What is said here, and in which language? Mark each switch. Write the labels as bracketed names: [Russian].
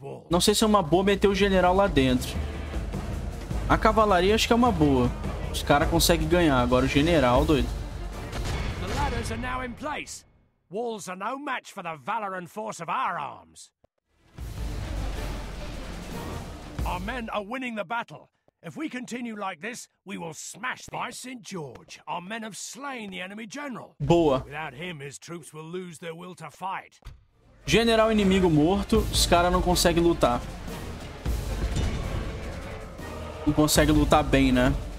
[Portuguese] Não sei se é uma boa meter o general lá dentro. A cavalaria acho que é uma boa. Os caras conseguem ganhar. Agora o general, doido. As ladas estão agora em place. [English] Walls are no match for the valor and force of our arms. Our men are winning the battle. If we continue like this, we will smash them. By St. George, our men have slain the enemy general. Boa. Without him, his troops will lose their will to fight. [Portuguese] General inimigo morto, os caras não conseguem lutar. Não conseguem lutar bem, né?